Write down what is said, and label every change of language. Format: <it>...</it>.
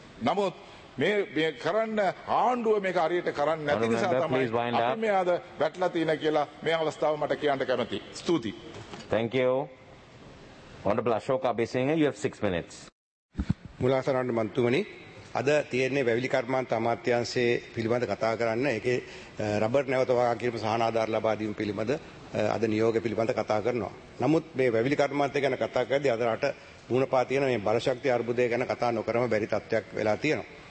<si>නමුත් මේ මේ කරන්න ආණ්ඩුව මේක හරියට කරන්න නැති නිසා තමයි අපි මේ අද වැටලා තියෙන කියලා මේ අවස්ථාව මට කියන්න කැමතියි. ස්තුතියි.</si> <en>Thank you. Honorable Ashoka Abhisinghe, you have 6 minutes.</en> <si>මුලාසරණ මන්තුමනි, අද තියෙන්නේ වැවිලි කර්මාන්ත අමාත්‍යාංශයේ පිළිබඳ කතා කරන්න. ඒකේ රබර් නැවත වගා කිරීම සහනාධාර ලබා දීම පිළිබඳ අද නියෝග පිළිබඳ කතා කරනවා. නමුත් මේ වැවිලි කර්මාන්තය ගැන කතා කරද්දී අද රට මුහුණ පා තියෙන මේ බලශක්ති අර්බුදය ගැන කතා නොකරම බැරි තත්ත්වයක් වෙලා තියෙනවා.</si>